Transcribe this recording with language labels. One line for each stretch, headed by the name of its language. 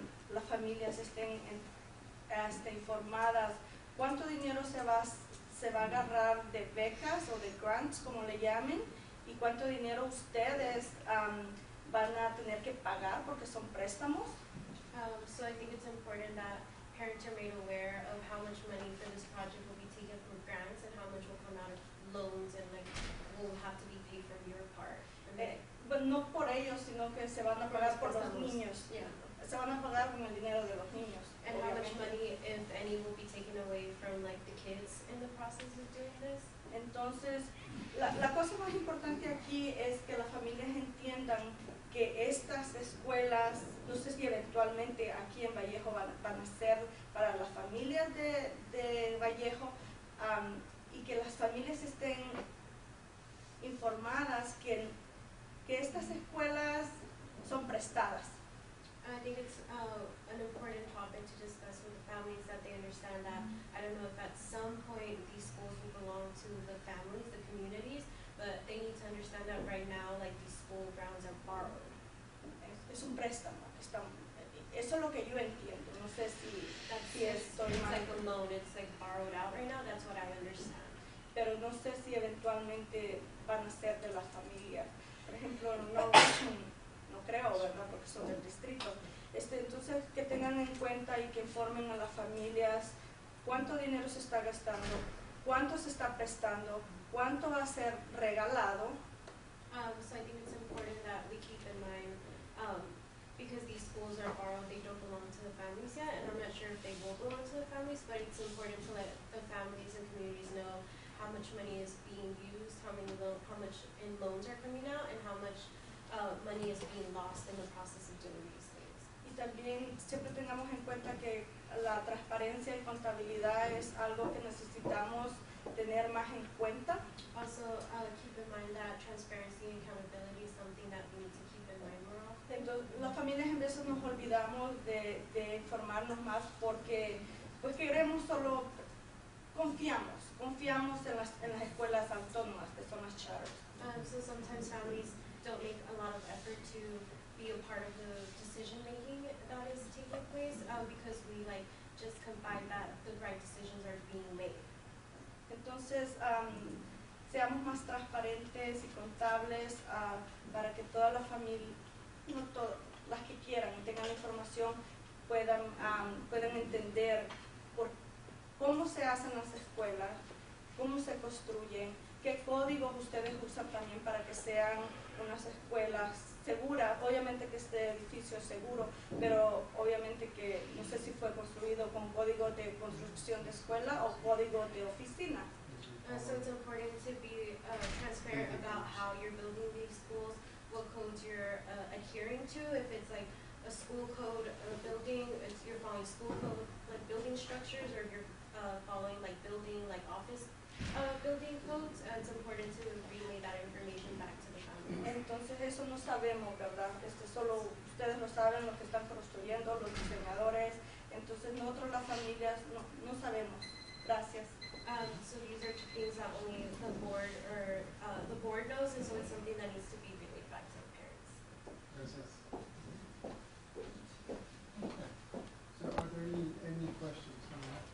Spanish: Las familias estén informadas. ¿Cuánto dinero se va a agarrar de becas o de grants, como le llamen? ¿Y cuánto dinero ustedes van a tener que pagar porque son préstamos?
English: So I think it's important that parents are made aware of how much money for this project will be taken from grants and how much will come out of loans and will have to be paid from your part.
Spanish: But no por ellos, sino que se van a pagar por los niños.
English: Yeah.
Spanish: Se van a pagar con el dinero de los niños.
English: And how much money, if any, will be taken away from like the kids in the process of doing this?
Spanish: Entonces, la cosa más importante aquí es que las familias entiendan que estas escuelas, no sé si eventualmente aquí en Vallejo van a ser para las familias de Vallejo, y que las familias estén informadas que estas escuelas son prestadas.
English: I think it's an important topic to discuss with the families, that they understand that, I don't know if at some point these schools will belong to the families, the communities, but they need to understand that right now, like, these school grounds are borrowed.
Spanish: Es un préstamo. Eso es lo que yo entiendo. No sé si
English: it's like a loan. It's like borrowed out right now. That's what I understand.
Spanish: Pero no sé si eventualmente van a ser de la familia. Por ejemplo, no. Creo, ¿verdad? Porque son del distrito. Entonces, que tengan en cuenta y que informen a las familias cuánto dinero se está gastando, cuánto se está prestando, cuánto va a ser regalado.
English: So I think it's important that we keep in mind, because these schools are borrowed, they don't belong to the families yet, and I'm not sure if they will belong to the families, but it's important to let the families and communities know how much money is being used, how much in loans are coming out, and how much money is being lost in the process of doing these things.
Spanish: Y también siempre tengamos en cuenta que la transparencia y contabilidad es algo que necesitamos tener más en cuenta.
English: Also, keep in mind that transparency and accountability is something that we need to keep in mind more often.
Spanish: Entonces, las familias en veces nos olvidamos de informarnos más porque pues queremos solo confiamos en las escuelas autónomas que son las charters.
English: So sometimes families don't make a lot of effort to be a part of the decision making that is taking place because we like just confide that the right decisions are being made.
Spanish: Entonces, seamos más transparentes y contables para que todas las familias, no todas, las que quieran y tengan la información puedan puedan entender por cómo se hacen las escuelas, cómo se construyen, qué códigos ustedes usan también para que sean unas escuelas seguras. Obviamente que este edificio es seguro, pero obviamente que no sé si fue construido con código de construcción de escuela o código de oficina.
English: So it's important to be transparent about how you're building these schools, what codes you're adhering to. If it's like a school code, a building, if you're following school code, like building structures, or if you're following like building, like office building codes, it's important to relay that information back to the family.
Spanish: Entonces eso no sabemos, ¿verdad? Este solo ustedes lo saben, los que están construyendo, los diseñadores. Entonces nosotros las familias no sabemos. Gracias.
English: So these are things that only the board knows, and so it's something that needs to be relayed back to the parents. Gracias. Okay. So are there any questions on that?